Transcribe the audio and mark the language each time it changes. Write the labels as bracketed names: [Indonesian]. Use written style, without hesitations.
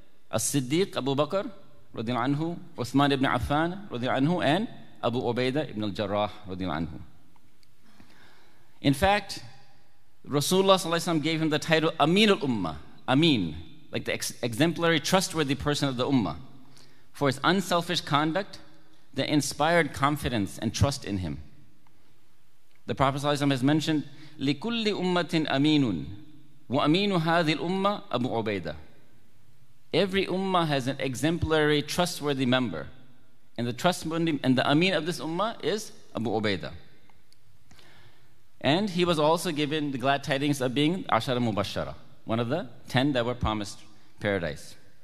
[English] As-Siddiq Abu Bakr radiallahu anhu, Uthman ibn Affan radiallahu anhu, and Abu Ubaidah ibn al-Jarrah radiallahu anhu. In fact, Rasulullah sallallahu alaihi gave him the title Amin al-Ummah, Amin, like the exemplary trustworthy person of the Ummah. for his unselfish conduct that inspired confidence and trust in him. The Prophet ﷺ has mentioned, [Arabic] لِكُلِّ أُمَّةٍ أَمِينٌ وَأَمِينُ هَذِي الْأُمَّةِ أَبُو عُبَيْدَةٍ. [English] Every ummah has an exemplary, trustworthy member. And the trustworthy and the Ameen of this ummah is Abu Ubaidah. And he was also given the glad tidings of being Ashara Mubashara, one of the 10 that were promised paradise.